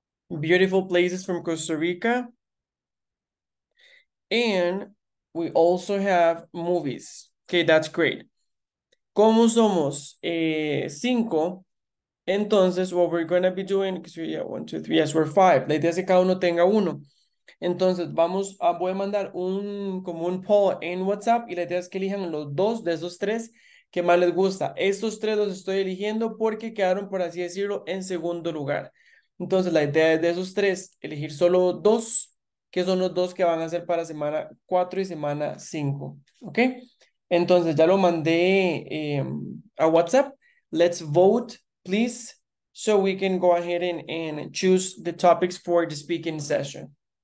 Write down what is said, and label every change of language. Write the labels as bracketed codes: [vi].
[en] Beautiful places from Costa Rica. And we also have movies. Okay, that's great. [es] Como somos cinco, entonces, [en] what we're going to be doing, so yeah, one, two, three, yes, we're five. [es] La idea es que cada uno tenga uno. Entonces, voy a mandar como un poll en WhatsApp y la idea es que elijan los dos de esos tres que más les gusta. Estos tres los estoy eligiendo porque quedaron, por así decirlo, en segundo lugar. Entonces, la idea es de esos tres, elegir solo dos, que son los dos que van a ser para semana 4 y semana 5. ¿Ok? Entonces ya lo mandé a WhatsApp. [en] Let's vote, please, so we can go ahead and choose the topics for the speaking session.